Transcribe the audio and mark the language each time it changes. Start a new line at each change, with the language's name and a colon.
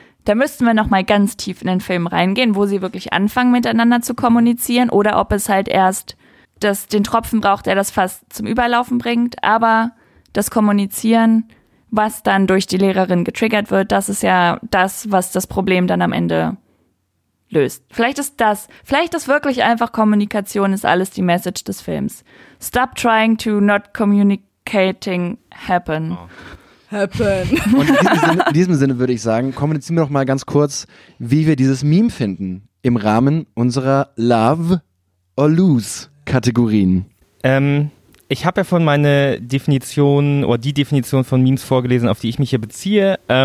German: Da müssten wir nochmal ganz tief in den Film reingehen, wo sie wirklich anfangen, miteinander zu kommunizieren oder ob es halt erst das, den Tropfen braucht, der das Fass zum Überlaufen bringt. Aber das Kommunizieren, was dann durch die Lehrerin getriggert wird, das ist ja das, was das Problem dann am Ende löst. Vielleicht ist wirklich einfach Kommunikation ist alles die Message des Films.
English: Stop trying to not communicating happen. Oh.
German: Und in diesem Sinne würde ich sagen, kommunizieren wir doch mal ganz kurz, wie wir dieses Meme finden im Rahmen unserer Love or Lose Kategorien. Ich habe ja von meiner Definition oder die Definition von Memes vorgelesen, auf die ich mich hier beziehe.